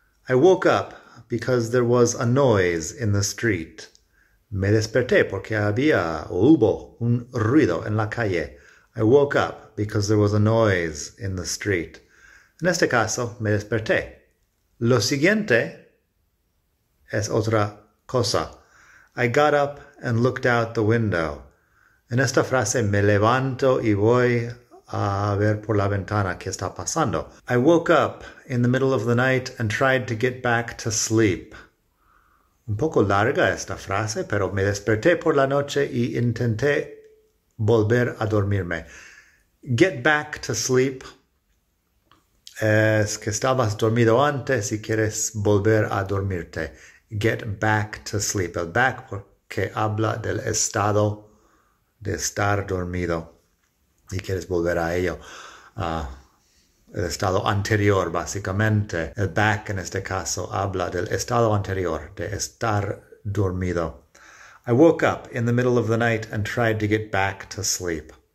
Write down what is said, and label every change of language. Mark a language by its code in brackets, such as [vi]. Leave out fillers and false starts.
[en] I woke up because there was a noise in the street. [es] Me desperté porque había o hubo un ruido en la calle. [en] I woke up because there was a noise in the street. [es] En este caso, me desperté. Lo siguiente es otra cosa. [en] I got up and looked out the window. [es] En esta frase, me levanto y voy a ver por la ventana qué está pasando. [en] I woke up in the middle of the night and tried to get back to sleep. [es] Un poco larga esta frase, pero me desperté por la noche y intenté volver a dormirme. [en] Get back to sleep. [es] Es que estabas dormido antes y quieres volver a dormirte. [en] Get back to sleep. [es] El back porque habla del estado de estar dormido y quieres volver a ello. El estado anterior, básicamente. El back en este caso habla del estado anterior de estar dormido. [en] I woke up in the middle of the night and tried to get back to sleep.